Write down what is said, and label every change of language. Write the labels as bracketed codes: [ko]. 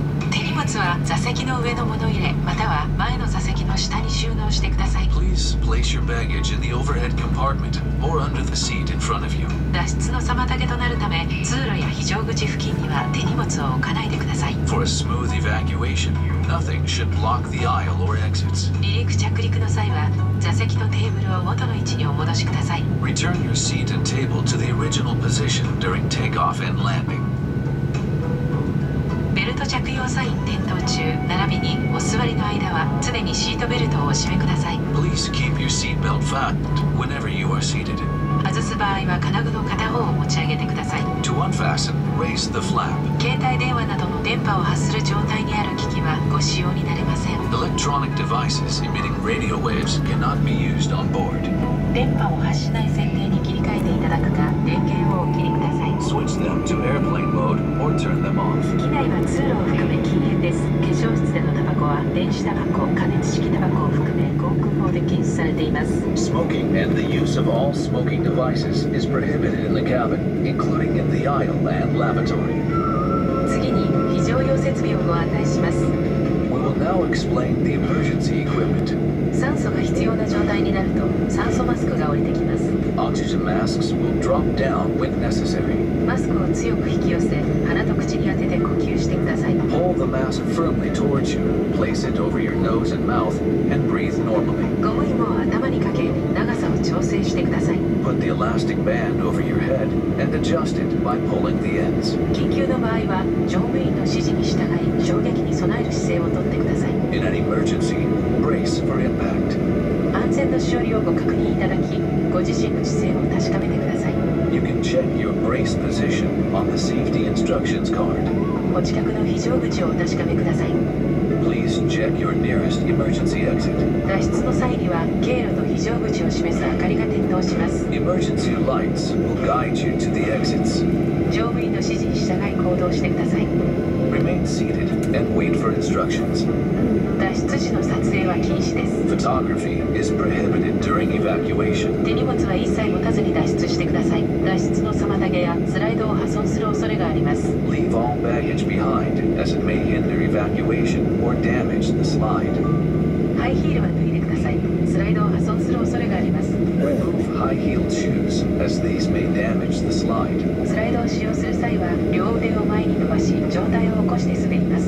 [ja] 手荷物は座席の上の物入れまたは前の座席の下に収納してください。 [en] Please place your baggage in the overhead compartment or under the seat in front of you. [ja] 脱出の妨げとなるため通路や非常口付近には手荷物を置かないでください。 [en] For a smooth evacuation, nothing should block the aisle or exits. [ja] 離陸着陸の際は座席とテーブルを元の位置にお戻しください。 [en] Return your seat and table to the original position during takeoff and landing. [ja] 着用サイン点灯中並びにお座りの間は常にシートベルトをお締めください。 [en] Please keep your seatbelt fastened whenever you are seated. [ja] 外す場合は金具の片方を持ち上げてください。 [en] To unfasten, raise the flap. [ja] 携帯電話などの電波を発する状態にある機器はご使用になれません。 [en] Electronic devices emitting radio waves cannot be used on board. [ja] 電波を発しない設定に切り替えていただくか電源をお切りください。 [en] Switch them to airplane mode or turn them off. [ja] 機内は通路を含め禁煙です。化粧室でのタバコは電子タバコ、加熱式タバコを含め航空法で禁止されています。 [en] Smoking and the use of all smoking devices is prohibited in the cabin, including in the aisle and lavatory. [ja] 次に非常用設備をご案内します。 [en] We will now explain the emergency equipment. [ja] 酸素が必要な状態になると酸素マスクが降りてきます。 [en] Oxygen masks will drop down when necessary. [ja] マスクを強く引き寄せ、鼻と口に当てて呼吸してください。 [en] Hold the mask firmly towards you. Place it over your nose and mouth and breathe normally. [ja] ゴム紐を頭にかけ、長さを調整してください。 [en] Put the elastic band over your head and adjust it by pulling the ends. [ja] 緊急の場合は、乗務員の指示に従い、衝撃に備える姿勢をとってください。 [en] In an emergency, brace for impact. [ja] 安全の処理をご確認いただき、ご自身の姿勢を確かめてください。 [en] You can check your brace position on the safety instructions card. [ja] お近くの非常口をお確かめください。 [en] Please check your nearest emergency exit. [ja] 脱出の際には、経路と非常口を示す明かりが点灯します。 [en] Emergency lights will guide you to the exits. [ja] 乗務員の指示に従い行動してください。 [en] Remain seated and wait for instructions. [ja] 脱出時の撮影は禁止です。 [en] Photography is prohibited during evacuation. [ja] 手荷物は一切持たずに脱出してください。脱出の妨げやスライドを破損する恐れがあります。 [en] Leave all baggage behind, as it may hinder evacuation or damage the slide. [ja] ハイヒールは脱いでください。スライドを破損する恐れがあります。 [en] Remove high-heeled shoes, as these may damage the slide. [ja] スライドを使用する際は両腕を前に伸ばし、上体を起こして滑ります。